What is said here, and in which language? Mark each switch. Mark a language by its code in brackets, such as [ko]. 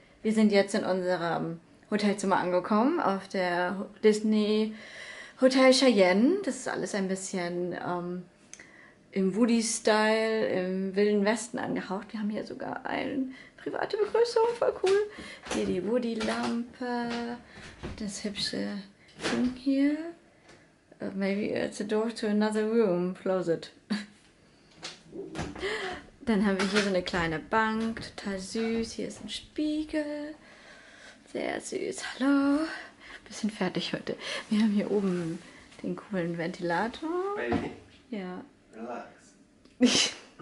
[de] Wir sind jetzt in unserem Hotelzimmer angekommen auf der Disney Hotel Cheyenne. Das ist alles ein bisschen im Woody-Style, im Wilden Westen angehaucht. Wir haben hier sogar eine private Begrüßung, voll cool. Hier die Woody-Lampe, das hübsche Ding hier. [en] Maybe it's a door to another room, close it. [de] Dann haben wir hier so eine kleine Bank, total süß. Hier ist ein Spiegel. Sehr süß. Hallo. Bisschen fertig heute. Wir haben hier oben den coolen Ventilator. [en] Baby. [de] Ja. [en] Relax.